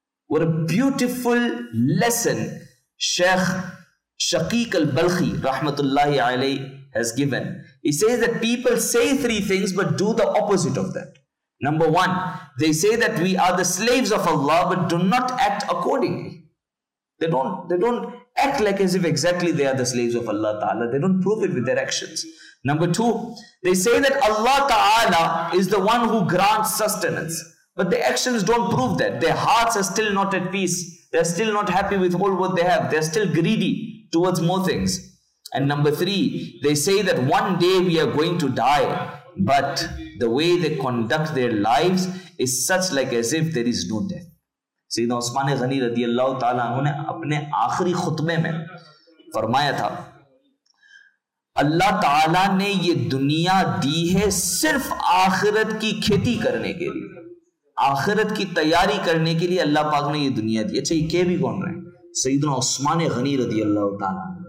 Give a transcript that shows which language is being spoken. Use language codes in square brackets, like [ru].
[en] और beautiful lesson Sheikh Shaqiq al Balkhi रहमतुल्लाहि अलैह has given. He says that people say three things but do the opposite of that. Number one, they say that we are the slaves of Allah but do not act accordingly. They don't act like as if exactly they are the slaves of Allah Ta'ala. They don't prove it with their actions. Number two, they say that Allah Ta'ala is the one who grants sustenance, but their actions don't prove that. Their hearts are still not at peace. They're still not happy with all what they have. They're still greedy towards more things. And number three, they say that one day we are going to die, but the way they conduct their lives is such like as if there is no death. [ur] سیدنا عثمان غنی رضی اللہ تعالیٰ عنہ نے اپنے آخری خطبے میں فرمایا تھا، اللہ تعالیٰ نے یہ دنیا دی ہے صرف آخرت کی کھیتی کرنے کے لیے، آخرت کی تیاری کرنے کے لیے اللہ پاک نے یہ دنیا دی۔ اچھا، یہ کہہ بھی کون رہے ہیں؟ سیدنا عثمان غنی رضی اللہ تعالیٰ،